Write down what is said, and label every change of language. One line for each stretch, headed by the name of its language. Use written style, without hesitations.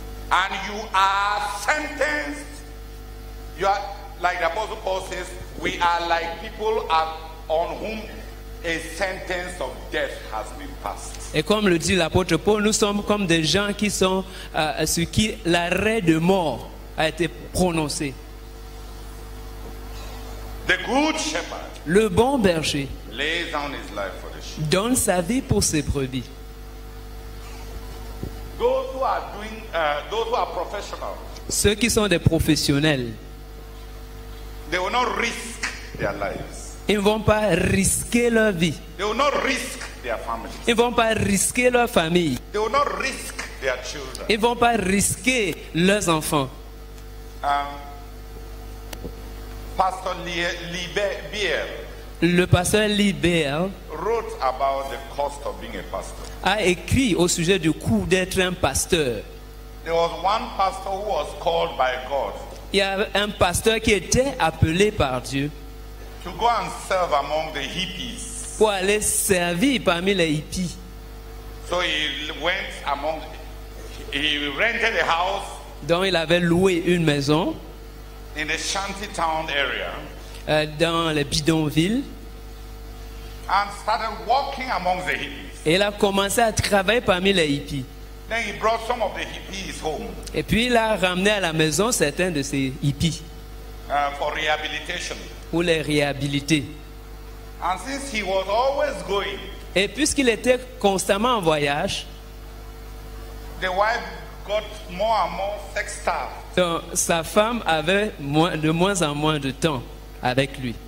English: And you are sentenced, you are like the Apostle Paul says, we are like people on whom a sentence of death has been passed.
French: Et comme le dit l'apôtre Paul, nous sommes comme des gens qui sont sur qui l'arrêt de mort a été prononcé.
English: The good shepherd,
French: le bon berger,
English: lays down his life for the sheep,
French: donne sa vie pour ses brebis.
English: Those who are doing, those who are professional,
French: ceux qui sont des professionnels,
English: they will not risk their lives,
French: ils ne vont pas risquer leur vie,
English: they will not risk their families,
French: ils ne vont pas risquer leur famille,
English: they will not risk their children,
French: ils ne vont pas risquer leurs enfants.
English: Pastor Lieber,
French: le pasteur Lieber
English: wrote about the cost of being a pastor,
French: a écrit au sujet du coût d'être un pasteur.
English: There was one pastor who was called by God,
French: il y a un pasteur qui était appelé par Dieu,
English: to go and serve among the hippies,
French: pour aller servir parmi les hippies.
English: So he went among, he rented a house,
French: donc il avait loué une maison,
English: in the shantytown area,
French: dans les bidonvilles,
English: and started walking among the hippies.
French: Et il a commencé à travailler parmi les hippies.
English: Then he brought some of the hippies home,
French: et puis il a ramené à la maison certains de ces hippies,
English: for rehabilitation,
French: pour les réhabiliter.
English: And since he was always going,
French: et puisqu'il était constamment en voyage,
English: the wife got more and more sex staff.
French: Donc, sa femme avait de moins en moins de temps avec lui.